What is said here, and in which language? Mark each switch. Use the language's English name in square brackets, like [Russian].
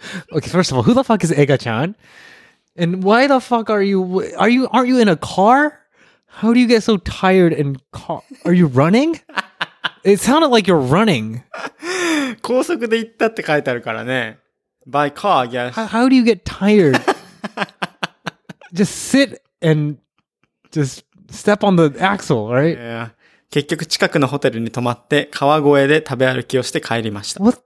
[English] Okay, first of all, who the fuck is Ega-chan? And why the fuck aren't you in a car? How do you get so tired and are you running? It sounded like you're running. [Japanese] 高速で行ったって書いてあるからね。 [English] By car, I guess. How do you get tired? Just sit and just step on the axle, right? Yeah. [Japanese] 結局近くのホテルに泊まって川越で食べ歩きをして帰りました。